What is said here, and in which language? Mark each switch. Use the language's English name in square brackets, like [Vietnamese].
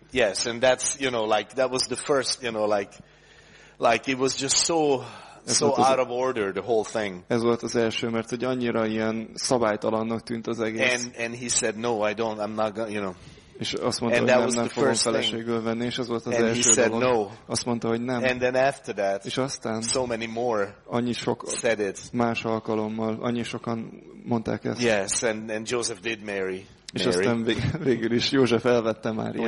[English] Yes, and that's, you know, like that was the first, you know, like it was just so out of order, the whole thing. [Hungarian] Ez volt az első, mert hogy annyira ilyen szabálytalannak tűnt az egész. [English] And he said, no, I don't, I'm not gonna, you know. [Hungarian] És azt mondta, and hogy nem fogom feleségül venni, és az volt az [English] and [Hungarian] első dolog. No. Azt mondta, hogy nem. [English] And then after that, [Hungarian] és aztán [English] so many more [Hungarian] annyi sok [English] said it. [Hungarian] Más alkalommal, annyi sokan mondták ezt. [English] Yes, and Joseph did marry. [Hungarian] És aztán végül is József elvette Máriát.